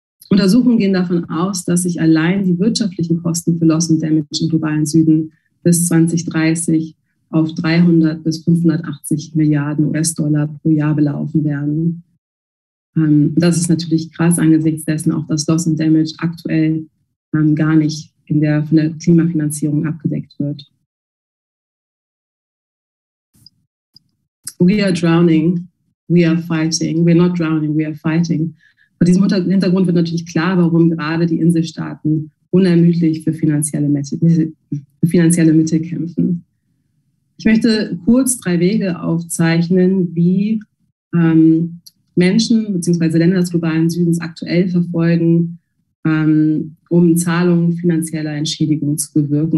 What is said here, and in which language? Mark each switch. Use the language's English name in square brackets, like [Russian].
[German] Untersuchungen gehen davon aus, dass sich allein die wirtschaftlichen Kosten für Loss and Damage im globalen Süden bis 2030 auf 300 bis 580 Milliarden US-Dollar pro Jahr belaufen werden. Das ist natürlich krass angesichts dessen, auch dass Loss and Damage aktuell gar nicht von der Klimafinanzierung abgedeckt wird. [English] We are drowning, we are fighting, we're not drowning, we are fighting. [German] Vor diesem Hintergrund wird natürlich klar, warum gerade die Inselstaaten unermüdlich für finanzielle Mittel kämpfen. Ich möchte kurz drei Wege aufzeichnen, wie Menschen bzw. Länder des globalen Südens aktuell verfolgen, um Zahlungen finanzieller Entschädigung zu bewirken.